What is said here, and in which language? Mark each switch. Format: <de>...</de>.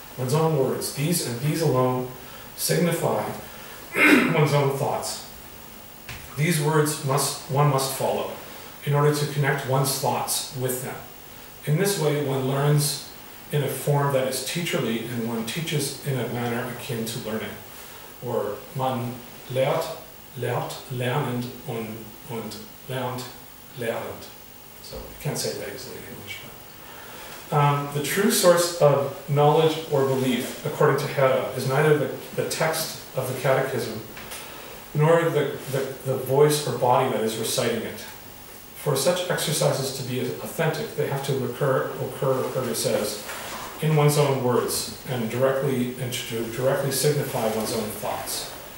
<en>One's own words, these and these alone, signify one's own thoughts. These words one must follow in order to connect one's thoughts with them. In this way, one learns in a form that is teacherly, and one teaches in a manner akin to learning. or</en> <de>man lehrt, lehrt, lernend, und lernt, lehrend.</de> <en>So you can't say that easily in English. But. The true source of knowledge or belief, according to Hera, is neither the text of the catechism, nor the voice or body that is reciting it. For such exercises to be authentic, they have to occur, Hera says, in one's own words, and to directly signify one's own thoughts.</en>